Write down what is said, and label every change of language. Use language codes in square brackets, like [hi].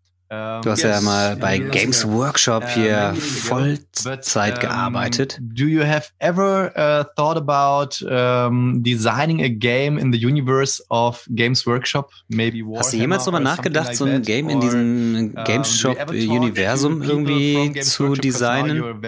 [de] Du hast ja mal bei Games Workshop hier Vollzeit gearbeitet. [en] Do you have ever thought about designing a game in the universe of Games Workshop? Maybe Warhammer. [de] Hast du jemals darüber nachgedacht, so ein Game in diesem Games Shop Universum irgendwie zu designen?